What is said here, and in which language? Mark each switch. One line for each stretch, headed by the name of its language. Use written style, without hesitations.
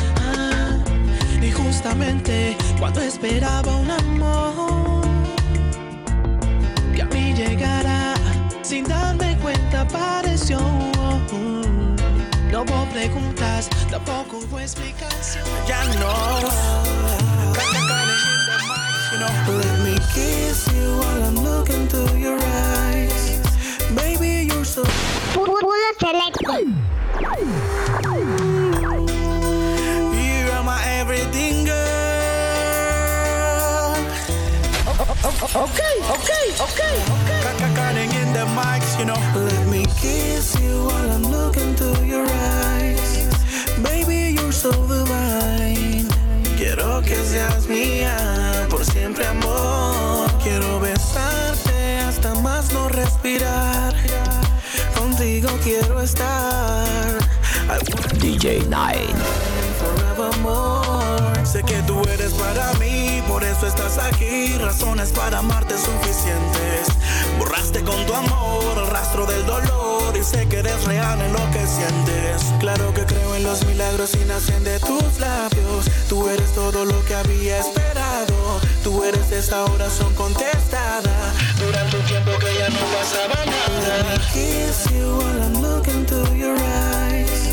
Spanish: Ah, y justamente cuando esperaba un amor que a mí llegara sin darme cuenta apareció. No hubo preguntas, tampoco hubo explicación. Ya no.
English: Let me kiss you while I'm looking through your eyes. Baby, you're so Pulo Selecto. You are my everything, girl. Okay. Cutting in the mics, you know. Let me kiss you while I'm looking through your eyes. Baby, you're so divine.
Spanish: Quiero que seas mía por siempre, amor. Quiero besarte hasta más no respirar. Contigo quiero estar.
English: DJ Nine. Forevermore.
Spanish: Sé que tú eres para mí, por eso estás aquí. Razones para amarte suficientes. Borraste con tu amor el rastro del dolor. Y sé que eres real en lo que sientes. Claro que creo en los milagros y nacen de tus labios. Tú eres todo lo que había esperado. Tú eres esa oración contestada. Durante un tiempo que ya no pasaba nada.
English: Kiss you while I'm looking through your eyes.